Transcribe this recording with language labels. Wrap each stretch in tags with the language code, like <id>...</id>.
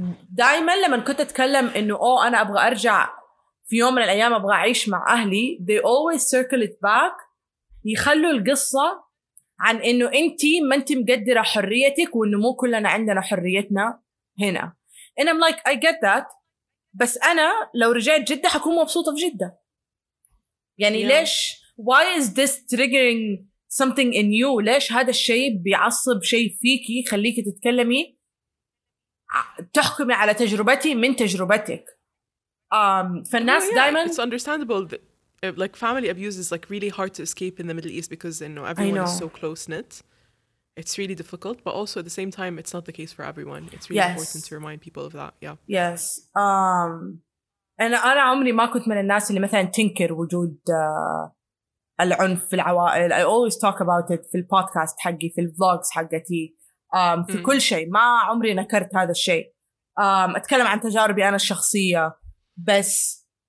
<ar>دائما لما كنت أتكلم إنه أنا أبغى أرجع في يوم من الأيام أبغى أعيش مع أهلي</ar> <en>they always circle it back</en> <ar>يخلوا القصة عن إنه أنتي ما أنت مقدرة حريتك وإنه مو كلنا عندنا حريتنا هنا</ar> <en>and I'm like I get that</en> <ar>بس أنا لو رجعت جدة حكون مبسوطة في جدة يعني ليش</ar> <en>why is this triggering something in you</en> <ar>ليش هذا الشيء بيعصب شيء فيكي خليكي تتكلمي تحكمي على تجربتي من تجربتك فالناس دائما</ar> <en>it's understandable that, like family abuse is like really hard to escape in the Middle East because you know everyone is so close knit it's really difficult but also at the same time it's not the case for everyone it's really important to remind people of that</en> <ar>yes انا عمري ما كنت من الناس اللي مثلا تنكر وجود العنف في العوائل</ar> <en>I always talk about it</en> <ar>في البودكاست حقي في الفلوجز حقتي في كل شيء ما عمري نكرت هذا الشيء اتكلم عن تجاربي انا الشخصيه بس</ar>